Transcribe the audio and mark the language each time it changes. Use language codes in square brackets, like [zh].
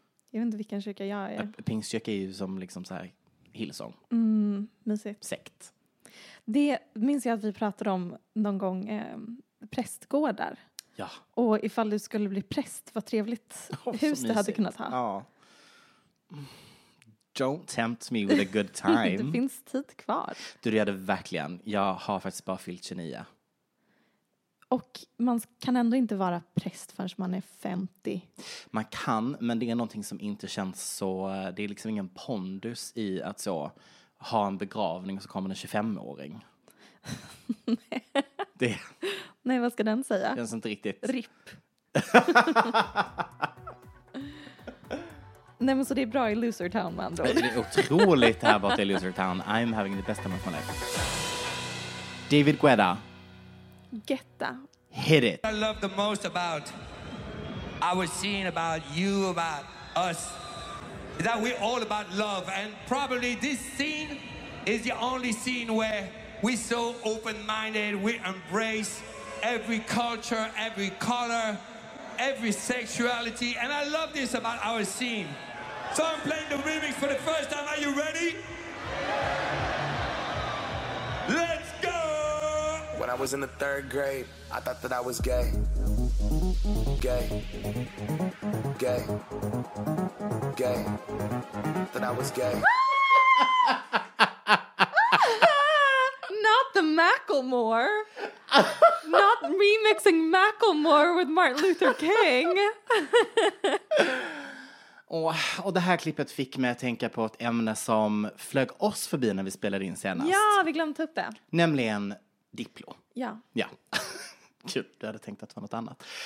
[sv] Jag vet inte vilken kyrka jag är. Pingstkyrka är ju som liksom så här Hillsong. Mm, mysigt. Sekt. Det minns jag att vi pratade om någon gång prästgårdar. Ja. Och ifall du skulle bli präst, vad trevligt hus du hade kunnat ha. Ja. [en] Don't tempt me with a good time. [sv] Det finns tid kvar. Du redde verkligen. Jag har faktiskt bara fyllt 29. Och man kan ändå inte vara präst förrän man är 50. Man kan, men det är någonting som inte känns så... Det är liksom ingen pondus i att så ha en begravning och så kommer en 25-åring. Nej. Det. Nej, vad ska den säga? Känns inte riktigt. Ripp. Nej, men så det är bra i Loser Town med andra ord. Det är otroligt här borta i Loser Town. [en] I'm having the best time of my life. David Guetta. Getta. Hit it. What I love the most about, I was seeing about you, about us, is that we're all about love. And probably this scene is the only scene where we're so open-minded, we embrace every culture, every color, every sexuality. And I love this about our scene. So I'm playing the remix for the first time. Are you ready? Let's. When I was in the third grade, I thought that I was gay. Gay. Gay. gay. That I was gay. Not the Macklemore. Not remixing Macklemore with Martin Luther King. [sv] Och det här klippet fick mig att tänka på ett ämne som flög oss förbi när vi spelade in senast. Ja, vi glömde upp det. Nämligen Diplo. Ja. Ja. Kul, du hade tänkt att det var något annat.